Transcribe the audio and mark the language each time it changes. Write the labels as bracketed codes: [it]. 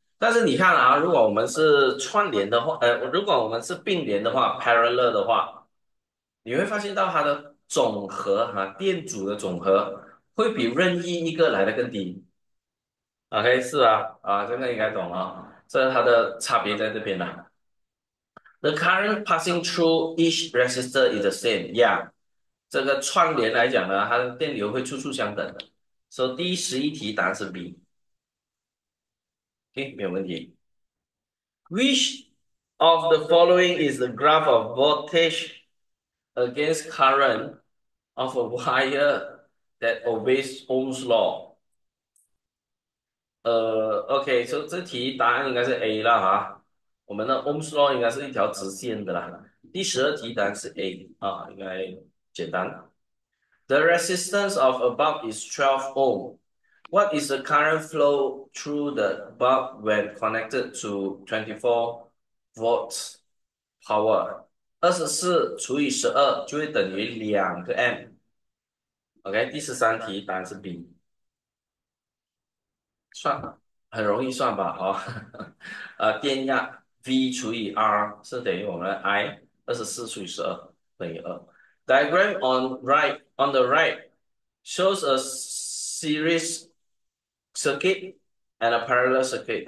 [zh] 但是你看啊，如果我们是串联的话，如果我们是并联的话，parallel 的话。你会发现到它的总和哈，电阻的总和会比任意一个来得更低。 OK，是啊，啊，这个应该懂了，这是它的差别在这边呢。 [en] The current passing through each resistor is the same. [zh] Yeah，这个串联来讲呢，它的电流会处处相等的。 So 第11题答案是 B。OK，没有问题。 [en] Which of the following is the graph of voltage against current of a wire that obeys Ohm's law. [zh] OK，所、so、以这题答案应该是 A 啦哈。我们的 Ohm's law 应该是一条直线的啦。第12题答案是 A 啊，应该简单。 [en] The resistance of a bulb is 12 ohm. What is the current flow through the bulb when connected to 24 volts power? [zh] 24除以12就会等于2个 A。 OK，第13题答案是 B。算了，很容易算吧？电压 V 除以 R 是等于我们的 I，24除以12等于2。 [en] Diagram on the right shows a series circuit and a parallel circuit.